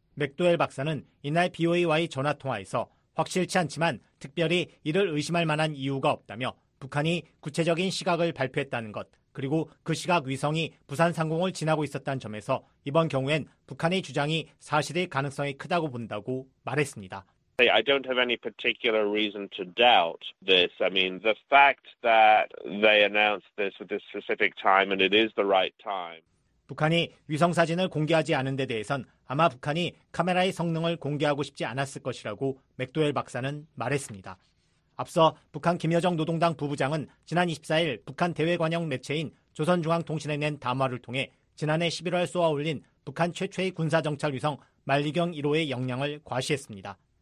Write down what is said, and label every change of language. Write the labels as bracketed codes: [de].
[ko] 맥도웰 박사는 이날 BOA와의 전화 통화에서 확실치 않지만 특별히 이를 의심할 만한 이유가 없다며 북한이 구체적인 시각을 발표했다는 것 그리고 그 시각 위성이 부산 상공을 지나고 있었다는 점에서 이번 경우엔 북한의 주장이 사실일 가능성이 크다고 본다고 말했습니다. [en] I don't have any particular reason to doubt this. I mean, the fact that they announced this at this specific time and it is the right time. [ko] 북한이 위성 사진을 공개하지 않은 데 대해선 아마 북한이 카메라의 성능을 공개하고 싶지 않았을 것이라고 맥도웰 박사는 말했습니다. 앞서 북한 김여정 노동당 부부장은 지난 24일 북한 대외관영 매체인 조선중앙통신에 낸 담화를 통해 지난해 11월 쏘아올린 북한 최초의 군사정찰 위성 만리경 1호의 역량을 과시했습니다.